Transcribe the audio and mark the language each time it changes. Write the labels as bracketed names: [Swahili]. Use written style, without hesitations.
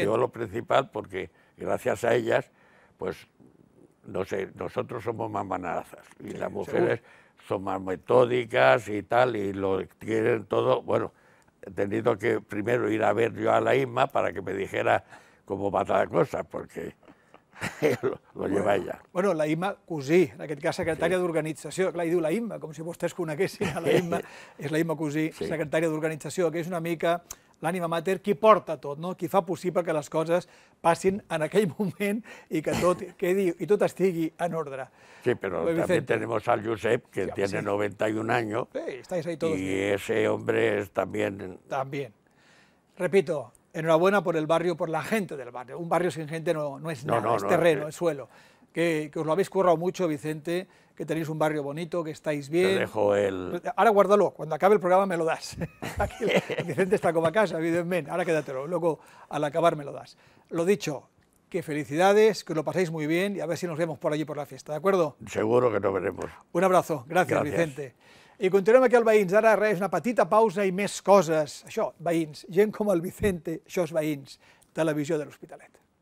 [Spanish] Digo lo principal porque gracias a ellas, pues, no sé, nosotros somos más manazas, y las mujeres son más metódicas y tal, y lo quieren todo, bueno, he tenido que primero ir a ver yo a la Isma para que me dijera... ¿Cómo va la cosa? Porque lo lleva ella. [Catalan] Bueno, la Imma Cusí, en aquest cas secretària d'organització. Clar, hi diu la Imma, com si vostès coneguessin la Imma. És la Imma Cusí, secretària d'organització, que és una mica l'ànima mater, qui porta tot, no? Qui fa possible que les coses passin en aquell moment i que tot quedi i tot estigui en ordre. [Spanish] Sí, però també tenemos al Josep, que tiene 91 años. Sí, estáis ahí todos. Y ese hombre es también... También. Repito, enhorabuena por el barrio, por la gente del barrio. Un barrio sin gente no es nada, es terreno, es suelo. Que os lo habéis currado mucho, Vicente, que tenéis un barrio bonito, que estáis bien. Te dejo el... Ahora guárdalo, cuando acabe el programa me lo das. Aquí Vicente está como a casa, evidentemente. Ahora quédatelo, luego al acabar me lo das. Lo dicho, que felicidades, que os lo paséis muy bien y a ver si nos vemos por allí por la fiesta, ¿de acuerdo? Seguro que nos veremos. Un abrazo, gracias Vicente. [Catalan] I continuem aquí al Veïns. Ara res, una petita pausa i més coses. Això, Veïns, gent com el Vicente, això és Veïns, Televisió de l'Hospitalet.